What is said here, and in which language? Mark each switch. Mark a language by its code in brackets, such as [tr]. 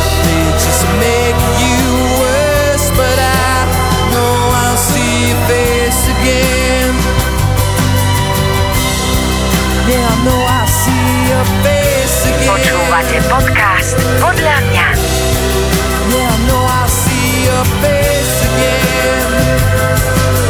[en] They just make you worse. But I know I'll see your face again. Yeah, I know I'll see your face again. [sk] Počúvate podcast Podľa mňa. [en] Yeah, I know I'll see your face again.